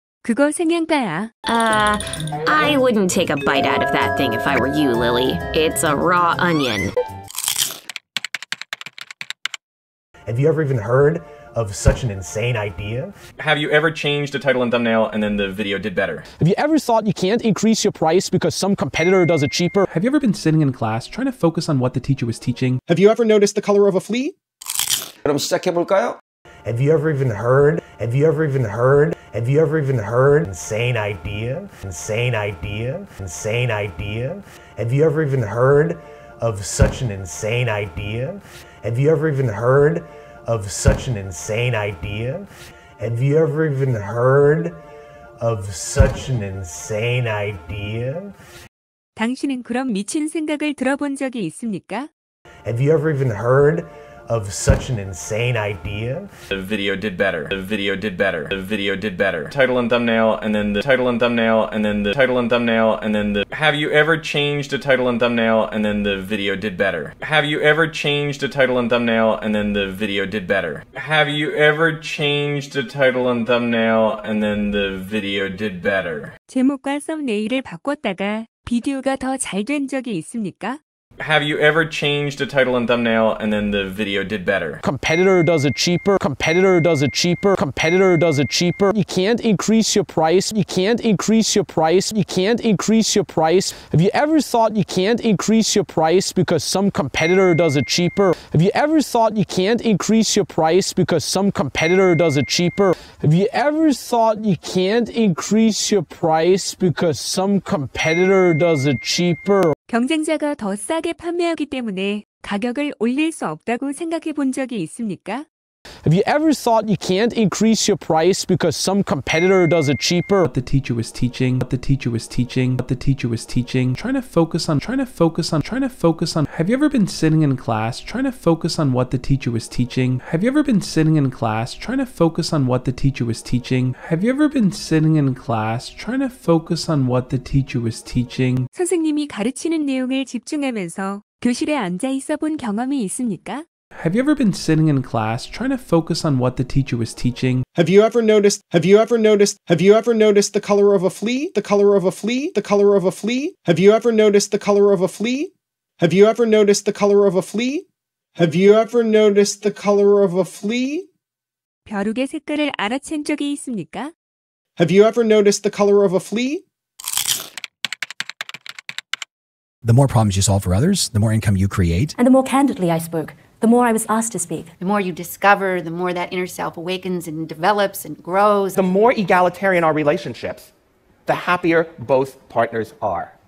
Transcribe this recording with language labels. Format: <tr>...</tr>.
<ko>그거 생양가야.</ko> <en>I wouldn't take a bite out of that thing if I were you, Lily. It's a raw onion. Have you ever even heard of such an insane idea? Have you ever changed the title and thumbnail and then the video did better? Have you ever thought you can't increase your price because some competitor does it cheaper? Have you ever been sitting in class trying to focus on what the teacher was teaching? Have you ever noticed the color of a flea? Have you ever even heard? Have you ever even heard? Have you ever even heard? Insane idea? Insane idea? Insane idea? Have you ever even heard of such an insane idea? Have you ever even heard of such an insane idea? Have you ever even heard of such an insane idea?</en> <ko>당신은 그런 미친 생각을 들어본 적이 있습니까?</ko> <en>Have you ever even heard of such an insane idea? The video did better. The video did better. The video did better. Title and thumbnail, and then the title and thumbnail, and then the title and thumbnail, and then the... Have you ever changed a title and thumbnail, and then the video did better? Have you ever changed a title and thumbnail, and then the video did better? Have you ever changed a title and thumbnail, and then the video did better?</en> <ko>제목과 썸네일을 바꿨다가 비디오가 더 잘 된 적이 있습니까?</ko> <en>Have you ever changed a title and thumbnail and then the video did better? Competitor does it cheaper. Competitor does it cheaper. Competitor does it cheaper. You can't increase your price. You can't increase your price. You can't increase your price. Have you ever thought you can't increase your price because some competitor does it cheaper? Have you ever thought you can't increase your price because some competitor does it cheaper? Have you ever thought you can't increase your price because some competitor does it cheaper?</en> <ko>경쟁자가 더 싸게 판매하기 때문에 가격을 올릴 수 없다고 생각해 본 적이 있습니까?</ko> <en>Have you ever thought you can't increase your price because some competitor does it cheaper? What the teacher was teaching, what the teacher was teaching, what the teacher was teaching. Trying to focus on, trying to focus on, trying to focus on. Have you ever been sitting in class trying to focus on what the teacher was teaching? Have you ever been sitting in class trying to focus on what the teacher was teaching? Have you ever been sitting in class trying to focus on what the teacher was teaching?</en> <ko>선생님이 가르치는 내용을 집중하면서 교실에 앉아 있어 본 경험이 있습니까?</ko> <en>Have you ever been sitting in class trying to focus on what the teacher was teaching? Have you ever noticed? Have you ever noticed? Have you ever noticed the color of a flea? The color of a flea? The color of a flea? Have you ever noticed the color of a flea? Have you ever noticed the color of a flea? Have you ever noticed the color of a flea?</en> <ko>벼룩의 색깔을 알아챈 적이 있습니까?</ko> <en>Have you ever noticed the color of a flea? The more problems you solve for others, the more income you create. And the more candidly I spoke, the more I was asked to speak. The more you discover, the more that inner self awakens and develops and grows. The more egalitarian our relationships, the happier both partners are.</en>